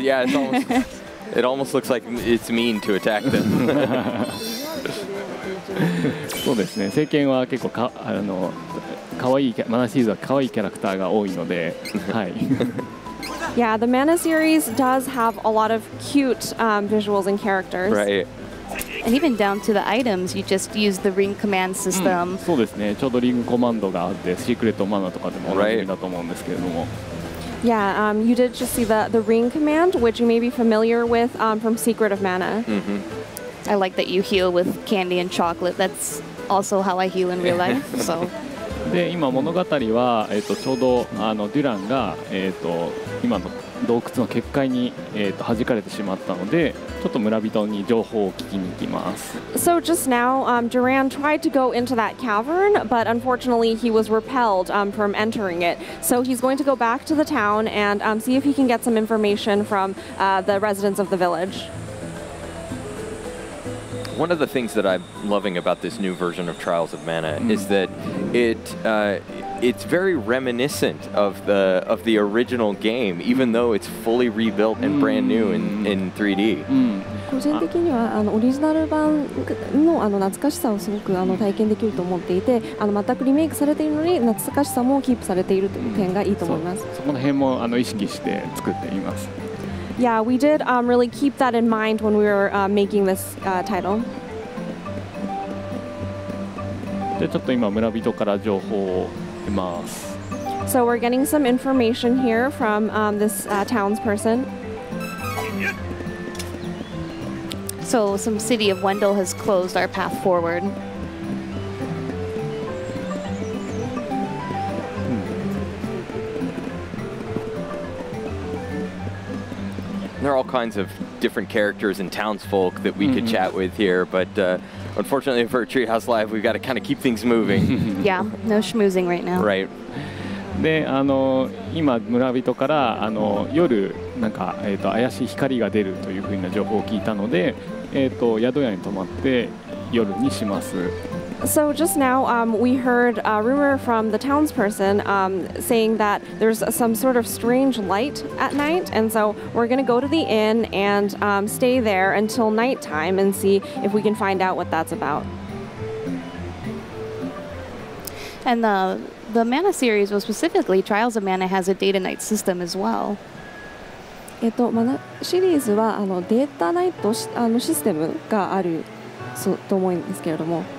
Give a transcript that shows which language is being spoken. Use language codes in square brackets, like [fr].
[en] Yeah, it's almost, it almost looks like it's mean to attack them. [ja] そうですね。聖剣は結構か、あの、かわいい、マナシーズはかわいいキャラクターが多いので、はい。 [en] Yeah, the Mana series does have a lot of cute visuals and characters. Right. And even down to the items, you just use the ring command system. [ja] そうですね。ちょうどリングコマンドがあって、シークレットマナとかでも同じだと思うんですけれども。 [en] Yeah, you did just see the ring command, which you may be familiar with from Secret of Mana. Mm-hmm. I like that you heal with candy and chocolate. That's also how I heal in real life. So. [ja] で今物語は、ちょうどあのデュランが、今の洞窟の結界に、弾かれてしまったのでちょっと村人に情報を聞きに行きます。 [en] So just now, Duran tried to go into that cavern, but unfortunately he was repelled from entering it. So he's going to go back to the town and see if he can get some information from the residents of the village. One of the things that I'm loving about this new version of Trials of Mana is that it's very reminiscent of the original game, even though it's fully rebuilt and brand new in 3D. [ja] 個人的にはあのオリジナル版 の, あの懐かしさをすごくあの体験できると思っていてあの全くリメイクされているのに懐かしさもキープされているという点がいいと思います。そこの辺もあの意識して作っています。 [en] Yeah, we did really keep that in mind when we were making this title. [ja] でちょっと今村人から情報を得ます。 [en] So we're getting some information here from this townsperson. So some city of Wendell has closed our path forward. There are all kinds of different characters and townsfolk that we mm-hmm. could chat with here, but unfortunately for Treehouse Live, we've got to kind of keep things moving. Yeah, no schmoozing right now. Right. [ja] で、あの、今村人から、あの、夜、なんか、怪しい光が出るというふうな情報を聞いたので、宿屋に泊まって夜にします。 [en] So just now we heard a rumor from the townsperson saying that there's some sort of strange light at night and so we're going to go to the inn and stay there until nighttime and see if we can find out what that's about. And the Mana series, well specifically Trials of Mana, has a day to night system as well. [ja] マナシリーズはあのデータナイトあのシステムがあるそうと思うんですけれども。